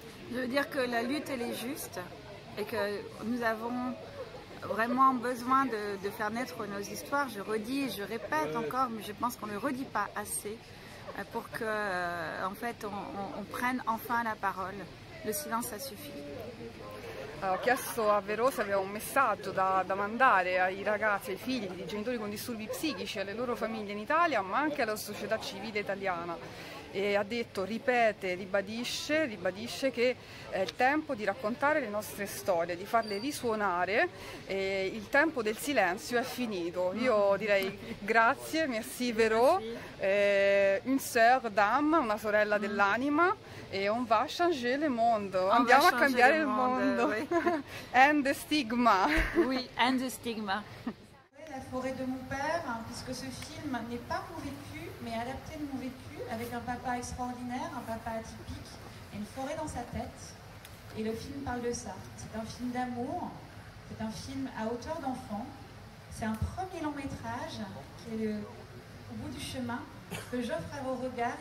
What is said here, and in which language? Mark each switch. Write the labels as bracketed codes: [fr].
[fr] Je veux dire que la lutte elle est juste et que nous avons vraiment besoin de faire naître nos histoires. Je redis, je répète encore, mais je pense qu'on ne le redit pas assez pour que, en fait, on prenne enfin la parole. Le silence, ça suffit. [it] Ho chiesto a Véro se aveva un messaggio da mandare ai ragazzi, ai figli di genitori con disturbi psichici, alle loro famiglie in Italia, ma anche alla società civile italiana. E ha detto, ripete, ribadisce che è il tempo di raccontare le nostre storie, di farle risuonare, e il tempo del silenzio è finito. Io direi grazie, [fr] merci Véro, une sœur d'âme, [it] una sorella dell'anima, e [fr] on va changer le [it] mondo. Andiamo a cambiare il mondo. [en] End the stigma. [fr] Oui, [en] end the stigma. [fr] La forêt de mon père, puisque ce film n'est pas mon vécu, mais adapté de mon vécu, avec un papa extraordinaire, un papa atypique, et une forêt dans sa tête. Et le film parle de ça. C'est un film d'amour, c'est un film à hauteur d'enfant, c'est un premier long métrage qui est au bout du chemin, que j'offre à vos regards.